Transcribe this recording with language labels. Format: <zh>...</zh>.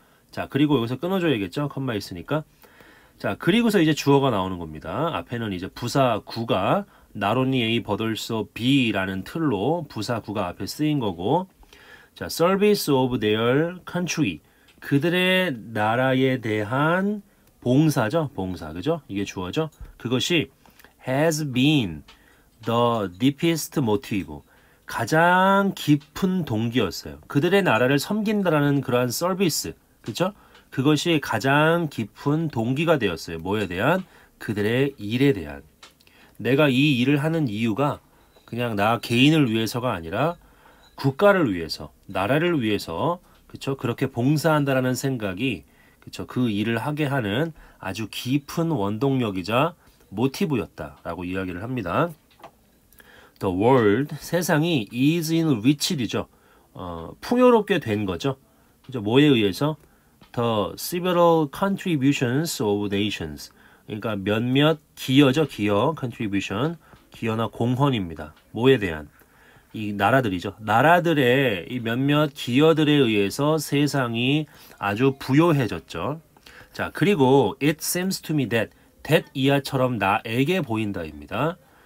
<ko>자, 그리고 여기서 끊어줘야겠죠. 컴마 있으니까. 자, 그리고서 이제 주어가 나오는 겁니다. 앞에는 이제 부사구가</ko> <en>not only A, but also B</en> <ko>라는 틀로 부사구가 앞에 쓰인 거고, 자,</ko> <en>service of their country,</en> <ko>그들의 나라에 대한 봉사죠. 봉사, 그죠? 이게 주어죠. 그것이</ko> <en>has been the deepest motive,</en> <ko>가장 깊은 동기였어요. 그들의 나라를 섬긴다라는 그러한 서비스, 그죠? 그것이 가장 깊은 동기가 되었어요. 뭐에 대한? 그들의 일에 대한. 내가 이 일을 하는 이유가 그냥 나 개인을 위해서가 아니라 국가를 위해서, 나라를 위해서, 그쵸? 그렇게 봉사한다라는 생각이, 그쵸? 그 일을 하게 하는 아주 깊은 원동력이자 모티브였다라고 이야기를 합니다.</ko> <en>The world,</en> <ko>세상이</ko> <en>is in riches이죠.</en> <ko>풍요롭게 된 거죠. 그쵸? 뭐에 의해서?</ko> <en>The several contributions of nations.</en> <ko>그러니까 몇몇 기여죠, 기여. contribution. 기여나 공헌입니다. 뭐에 대한? 이 나라들이죠. 나라들의 이 몇몇 기여들에 의해서 세상이 아주 부요해졌죠. 자, 그리고</ko> <en>it seems to me that</en> <ko>이하처럼 나에게 보인다입니다.</ko>